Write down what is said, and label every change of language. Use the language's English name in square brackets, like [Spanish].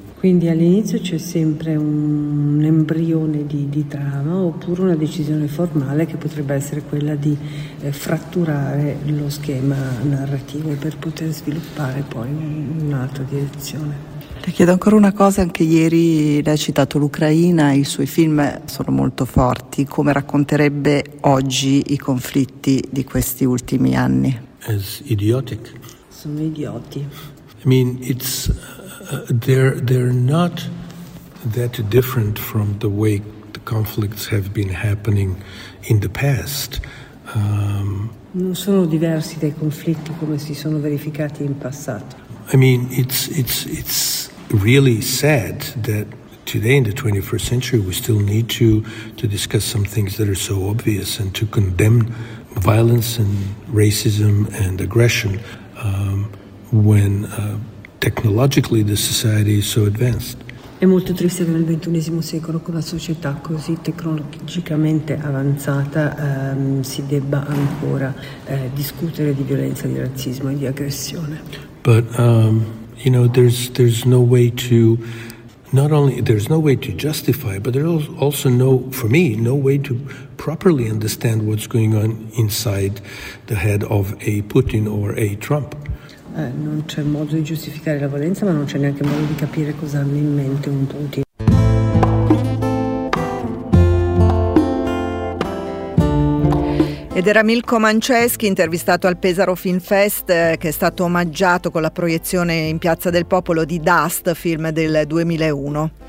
[Italian] Quindi all'inizio c'è sempre un embrione di trama oppure una decisione formale che potrebbe essere quella di fratturare lo schema narrativo per poter sviluppare poi un'altra direzione. Le chiedo ancora una cosa, anche ieri lei ha citato l'Ucraina, i suoi film sono molto forti, come racconterebbe oggi i conflitti di questi ultimi anni? [English] As idiotic. [Italian] Sono idioti. [English] I mean, it's they're not that different from the way the conflicts have been happening in the past. [Italian] Non sono diversi dai conflitti come si sono verificati in passato. [English] I mean, it's really sad that today in the 21st century we still need to discuss some things that are so obvious and to condemn violence and racism and aggression when technologically the society is so advanced. [Italian] È molto triste che nel XXI secolo con la società così tecnologicamente avanzata si debba ancora discutere di violenza, di razzismo e di aggressione. [English] But you know, there's no way to, not only there's no way to justify, but there's also no, for me, no way to properly understand what's going on inside the head of a Putin or a Trump. [Italian] Non c'è modo di giustificare la violenza, ma non c'è neanche modo di capire cosa hanno in mente un Putin. Ed era Milko Manceschi, intervistato al Pesaro Film Fest, che è stato omaggiato con la proiezione in Piazza del Popolo di Dust, film del 2001.